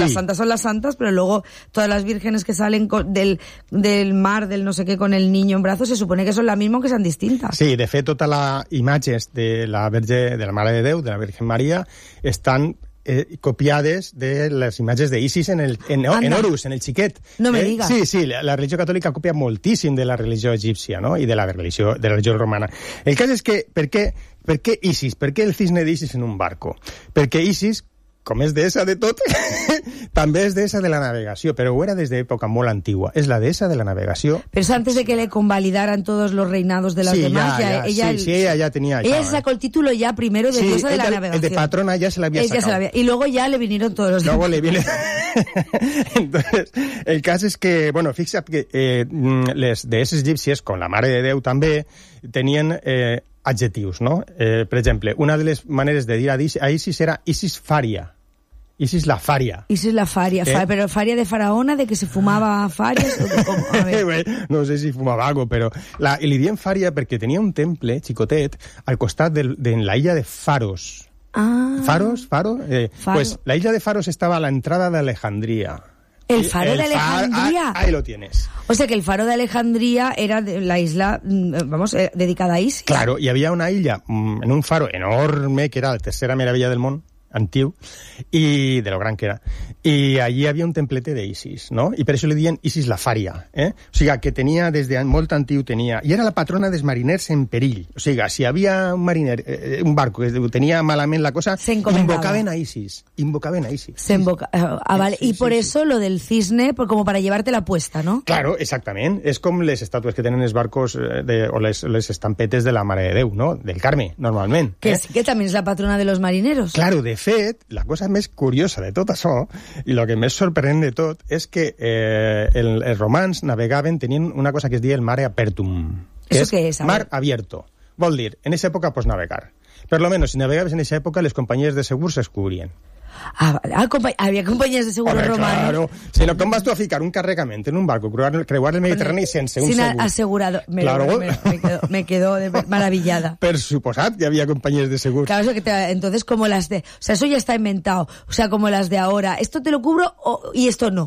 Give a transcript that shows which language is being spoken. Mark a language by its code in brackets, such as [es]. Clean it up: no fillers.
[es] Las santas son las santas, pero luego todas las vírgenes que salen del mar, del no sé qué, con el niño en brazos, se supone que son las mismas, que son distintas. Sí, de hecho, todas las imágenes de la Virgen, de la Madre de Dios, de la Virgen María, están... [ca] copiades de les imatges d'Isis en Horus, en el xiquet. [es] No me digas. [ca] Sí, la religió catòlica copia moltíssim de la religió egípcia, no? I de la religió romana. El cas és que, per què Isis? Per què el cisne d'Isis en un barco? Perquè Isis, com és deessa de tot, també és deessa de la navegació, però ho era des d'època molt antigua. És la deessa de la navegació. Però és [es] antes de que le convalidaran todos los reinados de las sí, demás. Ya, ella ya tenía... Ella sacó el título ya primero de diosa de la navegación. El de patrona ya se la había sacado. Y luego ya le vinieron todos los... Luego le vinieron... Entonces, el caso es que, bueno, [ca] fixa't que les deesses egipcies, [es] con la Mare de Déu també, tenien... adjectius, no? [ca] Per exemple, una de les maneres de dir a Isis era Isis Faria. Isis la Faria. Isis la Faria. Però Faria de faraona, de que se fumava farias? No sé si fumava algo, però... I li diuen Faria perquè tenia un temple, xicotet, al costat de la illa de Faros. Ah. Faros? Faro? Faro. Pues la illa de Faros estava [es] a la entrada de Alejandría. ¿El faro de Alejandría? Ahí lo tienes. O sea, que el faro de Alejandría era de la isla, vamos, dedicada a Isis. Claro, y había una isla en un faro enorme, que era la tercera maravilla del mundo, antiguo, y de lo gran que era. Y allí había un templete de Isis, ¿no? Y por eso le dían Isis la Faria, ¿eh? O sea, que tenía desde [ca] molt antiguo, [es] tenía... Y era la patrona de los [ca] mariners en perill. [es] O sea, si había un mariner, un barco que tenía malamente la cosa... Se encomendaba. Invocaban a Isis. Vale. Sí, y por eso lo del cisne, como para llevarte la puesta, ¿no? Claro, exactamente. Es como las estatuas que tienen los barcos o las estampetes de la Mare de Déu, ¿no? Del Carme, normalmente. Que sí, que también es la patrona de los marineros. [ca] Claro, de fet, la cosa més curiosa de tot això i el que més sorprèn de tot és que els romans navegaven tenint una cosa que es deia el mare apertum. [es] ¿Eso qué es? Mar abierto. [ca] Vol dir, en aquesta època pots navegar. Per lo menos, si navegaves en aquesta època, les companyies de segur s'escobrien. [es] Había compañías de seguros romanos. Claro, si lo que vas tú a [ca] ficar un carregamento [es] en un barco, [ca] creuar [es] el Mediterráneo y [ca] sense [es] un seguro. Asegurado. Me quedo maravillada. [ca] Per suposat que [es] había compañías de seguros. Claro, eso que entonces como las de... O sea, eso ya está inventado. O sea, como las de ahora. ¿Esto te lo cubro y esto no?